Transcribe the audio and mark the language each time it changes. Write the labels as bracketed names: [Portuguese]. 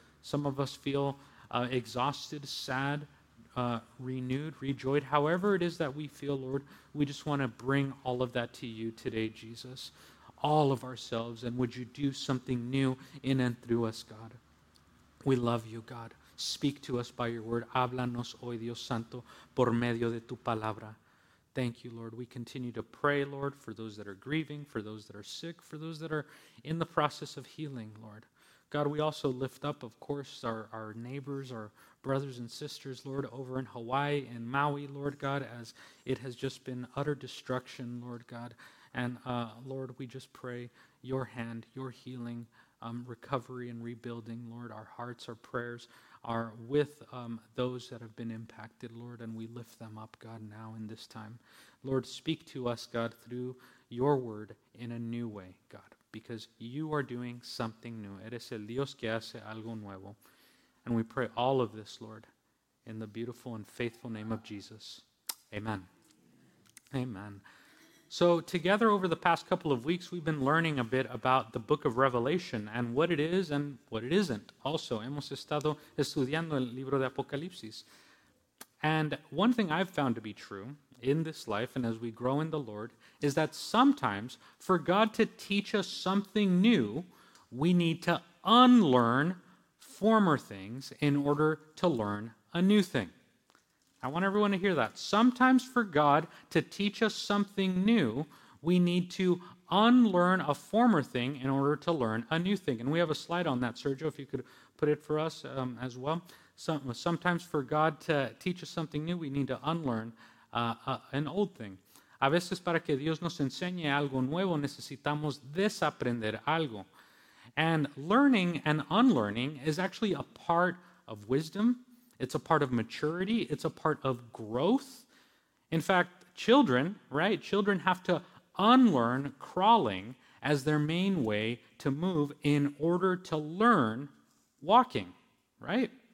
[English] Some of us feel exhausted, sad, renewed, rejoiced. However it is that we feel, Lord, we just want to bring all of that to you today, Jesus. All of ourselves, and would you do something new in and through us, God? We love you, God. Speak to us by your word. [Spanish] Háblanos hoy, Dios Santo, por medio de tu palabra. [English] Thank you, Lord. We continue to pray, Lord, for those that are grieving, for those that are sick, for those that are in the process of healing, Lord. God, we also lift up, of course, our neighbors, our brothers and sisters, Lord, over in Hawaii and Maui, Lord God, as it has just been utter destruction, Lord God. And Lord, we just pray your hand, your healing, recovery and rebuilding, Lord. Our hearts, our prayers are with those that have been impacted, Lord, and we lift them up, God, now in this time. Lord, speak to us, God, through your word in a new way, God, because you are doing something new. [Spanish] Eres el Dios que hace algo nuevo. [English] And we pray all of this, Lord, in the beautiful and faithful name of Jesus. Amen. Amen. So together over the past couple of weeks, we've been learning a bit about the book of Revelation and what it is and what it isn't. [Spanish] Also, hemos estado estudiando el libro de Apocalipsis. [English] And one thing I've found to be true in this life and as we grow in the Lord is that sometimes for God to teach us something new, we need to unlearn former things in order to learn a new thing. I want everyone to hear that. Sometimes for God to teach us something new, we need to unlearn a former thing in order to learn a new thing. And we have a slide on that, Sergio, if you could put it for us as well. Sometimes for God to teach us something new, we need to unlearn an old thing. [Spanish] A veces para que Dios nos enseñe algo nuevo, necesitamos desaprender algo. [English] And learning and unlearning is actually a part of wisdom. It's a part of maturity. It's a part of growth. In fact, children, right? Children have to unlearn crawling as their main way to move in order to learn walking, right?